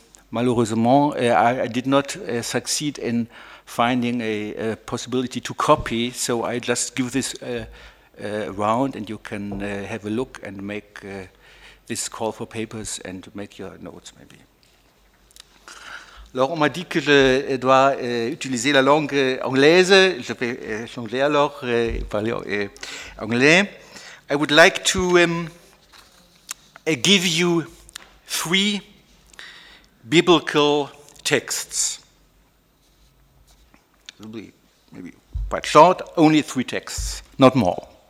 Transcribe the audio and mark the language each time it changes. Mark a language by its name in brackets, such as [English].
[French] Malheureusement, [English] I did not succeed in finding a possibility to copy, so I just give this round and you can have a look and make this call for papers and make your notes maybe. [French] Alors, on m'a dit que je dois utiliser la langue anglaise. Je vais changer alors et parler anglais. [English] I would like to give you three biblical texts. Maybe quite short, only three texts, not more.